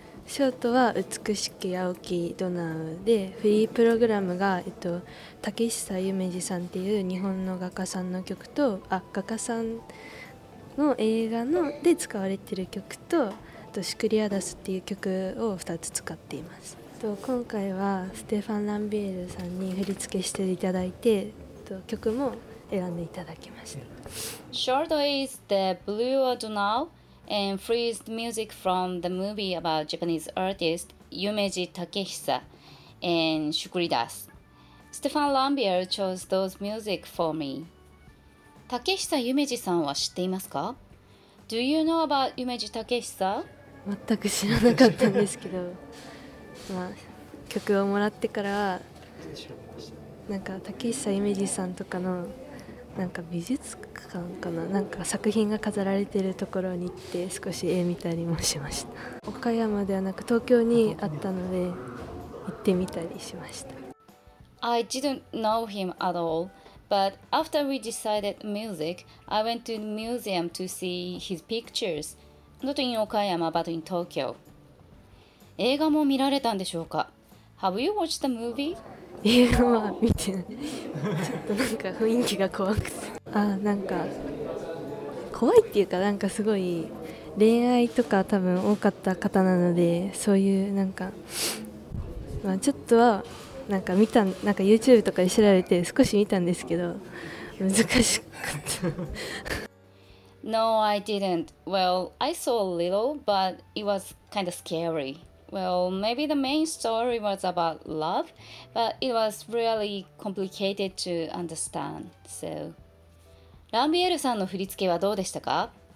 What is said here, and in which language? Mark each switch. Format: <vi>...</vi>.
<ja>ショートは美しき青木ドナウで、フリープログラムが竹久夢二さんっていう日本の画家さんの曲と、画家さんの映画ので使われてる曲と、あとシュクリアダスっていう曲を2つ使っています。今回はステファン・ランビエルさんに振り付けしていただいて、曲も選んでいただきました。</ja> <en>Short is the Blue or Donau and freeze music from the movie about Japanese artist Yumeji Takehisa and Shukri Das. Stefan Lambier chose those music for me.</en> <ja>Takehisa Yumeji さんは知っていますか?</ja> <en>Do you know about Yumeji Takehisa?</en> <ja>全く知らなかったんですけど、まあ、曲をもらってからは、なんか Takehisa Yumeji さんとかのなんか美術館かな、なんか作品が飾られているところに行って少し絵見たりもしました。岡山ではなく東京にあったので行ってみたりしました。</ja> <en>I didn't know him at all, but after we decided music, I went to the museum to see his pictures, not in 岡山 but in Tokyo.</en> <ja>映画も見られたんでしょうか?</ja> <en>Have you watched the movie?</en> <ja>映画は見てない。ちょっとなんか雰囲気が怖くて、なんか怖いっていうか、なんかすごい恋愛とか多分多かった方なので、そういうなんか、まあ、ちょっとはなんか見た、なんか YouTube とかで調べて少し見たんですけど難しかった。</ja> <en>No, I didn't. Well, I saw a little, but it was kind of scaryWell, maybe the main story was about love, but it was really complicated to understand, so...</en> <ja>ランビエルさんの振り付けはどうでしたか?</ja>